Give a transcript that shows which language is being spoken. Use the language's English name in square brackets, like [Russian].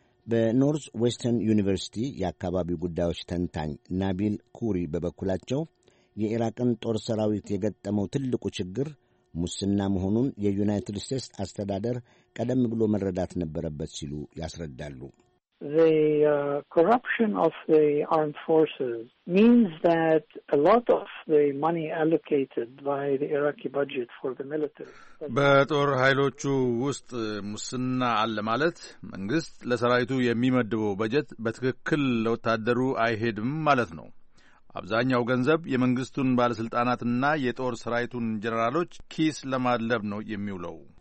[Amharic] በኖርዝ ዌስተርን ዩኒቨርሲቲ የአካባቢው ጉዳዮች ተንታኝ ናቢል ኩሪ በበኩላቸው የኢራቅን ጦር ሰራዊት የገጠመው ትልቁ ችግር ሙስና መሆኑን የዩናይትድ ስቴትስ አስተዳደር ቀደም ብሎ መረዳት ነበረበት ሲሉ ያስረዳሉ። [English] The corruption of the armed forces means that a lot of the money allocated by the Iraqi budget for the military. [Amharic] በጦር ኃይሎቹ ውስጥ ሙስና አለ ማለት መንግስት ለሰራዊቱ የሚመድበው በጀት በትክክል ለወታደሩ አይሄድም ማለት ነው። አብዛኛው ገንዘብ የመንግስቱን ባለስልጣናትና የጦር ሰራዊቱን ጀነራሎች ኪስ ለማለብ ነው የሚውለው።